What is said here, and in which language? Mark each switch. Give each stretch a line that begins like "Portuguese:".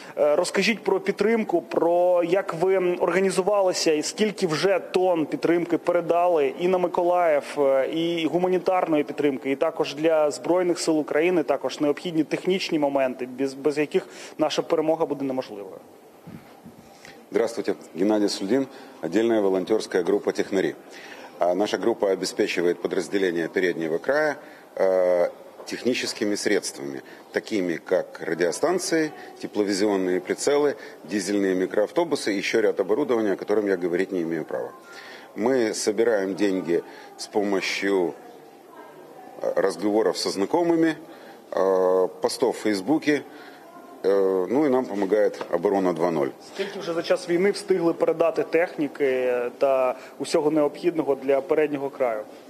Ukrainian: Розкажіть про підтримку, про як ви організувалися і скільки вже тонн підтримки передали і на Миколаїв, і гуманітарної підтримки, і також для Збройних сил України. України також необхідні технічні моменти, без яких наша перемога буде неможливою.
Russian: Здравствуйте, Геннадий Сульдин, отдельная волонтерская группа «Технари». Наша группа обеспечивает подразделение переднего края техническими средствами, такими как радиостанции, тепловизионные прицелы, дизельные микроавтобусы и еще ряд оборудования, о котором я говорить не имею права. Мы собираем деньги с помощью разговоров со знакомыми, постов в Фейсбуке, ну и нам помогает «Оборона 2.0».
Ukrainian: Скільки вже за час війни встигли передати техніки та усього необхідного для переднього краю?